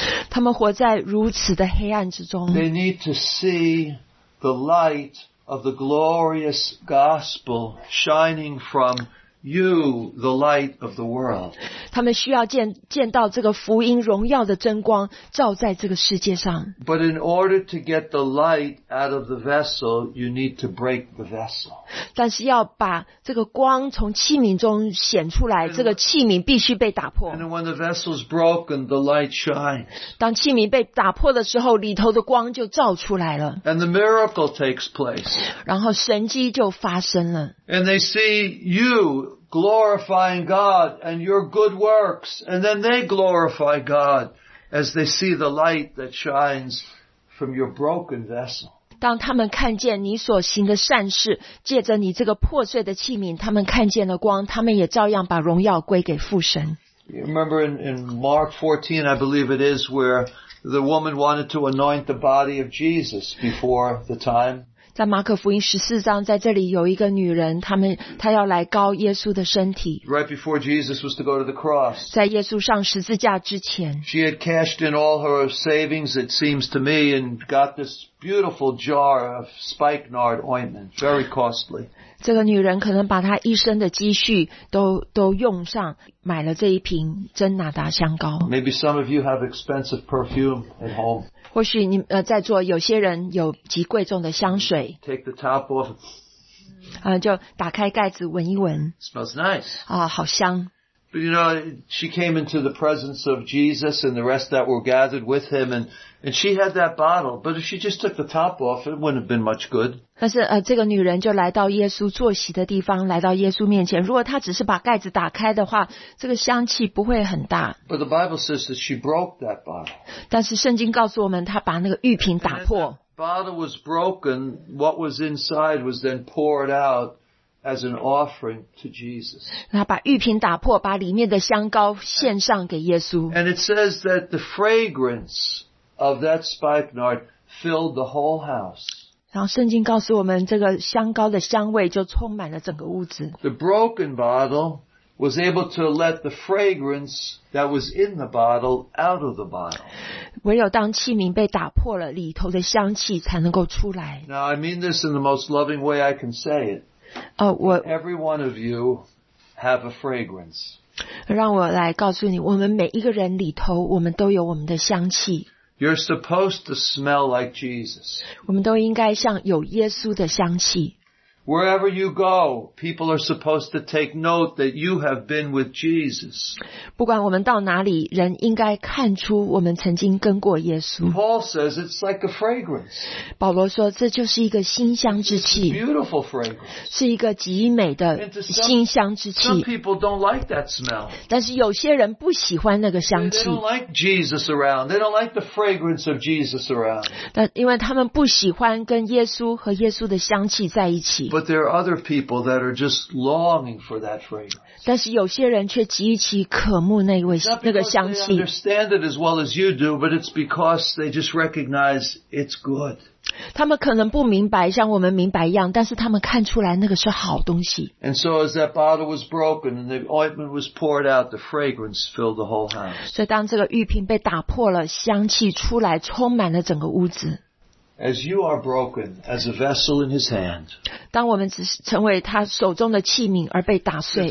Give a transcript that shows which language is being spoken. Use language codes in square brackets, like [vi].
[zh] 他们活在如此的黑暗之中。 [en] They need to see the light of the glorious gospel shining from you, the light of the world. [zh] 他们需要见到这个福音荣耀的真光照在这个世界上。 [en] But in order to get the light out of the vessel, you need to break the vessel. [zh] 但是要把这个光从器皿中显出来，这个器皿必须被打破。 [en] And when the vessel is broken, the light shines. [zh] 当器皿被打破的时候，里头的光就照出来了。 [en] And the miracle takes place. [zh] 然后神迹就发生了。 [en] And they see you glorifying God and your good works, and then they glorify God as they see the light that shines from your broken vessel. [zh] 当他们看见你所行的善事，借着你这个破碎的器皿，他们看见了光，他们也照样把荣耀归给父神。 [en] You remember in Mark 14, I believe it is, where the woman wanted to anoint the body of Jesus before the time? [zh] 在马可福音14章，在这里有一个女人，她要来膏耶稣的身体。 [en] Right before Jesus was to go to the cross. [zh] 在耶稣上十字架之前。 [en] She had cashed in all her savings, it seems to me, and got this beautiful jar of spikenard ointment, very costly. [zh] 这个女人可能把她一生的积蓄都用上，买了这一瓶真拿达香膏。 [en] Maybe some of you have expensive perfume at home. [zh] 或许你在座有些人有极贵重的香水。 [en] Take the top off. [zh] 就打开盖子闻一闻。 [en] Smells nice. [zh] 好香。 [en] But you know, she came into the presence of Jesus and the rest that were gathered with him, and she had that bottle. But if she just took the top off, it wouldn't have been much good. [zh] 但是这个女人就来到耶稣坐席的地方，来到耶稣面前。如果她只是把盖子打开的话，这个香气不会很大。 [en] But the Bible says that she broke that bottle. [zh] 但是圣经告诉我们，她把那个玉瓶打破。 [en] And the bottle was broken. What was inside was then poured out. As an offering to Jesus. [zh] 他把玉瓶打破，把里面的香膏献上给耶稣。 [en] And it says that the fragrance of that spikenard filled the whole house. [zh] 然后圣经告诉我们，这个香膏的香味就充满了整个屋子。 [en] The broken bottle was able to let the fragrance that was in the bottle out of the bottle. [zh] 唯有当器皿被打破了，里头的香气才能够出来。 [en] Now I mean this in the most loving way I can say it. Every one of you have a fragrance. [zh] 让我来告诉你，我们每一个人里头，我们都有我们的香气。 [en] You're supposed to smell like Jesus. [zh] 我们都应该像有耶稣的香气。 [en] Wherever you go, people are supposed to take note that you have been with Jesus. [zh] 不管我们到哪里，人应该看出我们曾经跟过耶稣。 [en] Paul says it's like a fragrance. [zh] 保罗说这就是一个馨香之气。 [en] It's a beautiful fragrance. [zh] 是一个极美的馨香之气。 [en] Some people don't like that smell. [zh] 但是有些人不喜欢那个香气。 [en] They don't like Jesus around. They don't like the fragrance of Jesus around. [zh] 但因为他们不喜欢跟耶稣和耶稣的香气在一起。 [en] But there are other people that are just longing for that fragrance. [zh] 但是有些人却极其渴慕那个香气。 [en] Not because they understand it as well as you do, but it's because they just recognize it's good. [zh] 他们可能不明白，像我们明白一样，但是他们看出来那个是好东西。 [en] And so as that bottle was broken and the ointment was poured out, the fragrance filled the whole house. [zh] 所以当这个玉瓶被打破了，香气出来，充满了整个屋子。 [en] As you are broken as a vessel in his hand, [zh] 当我们只成为他手中的器皿而被打碎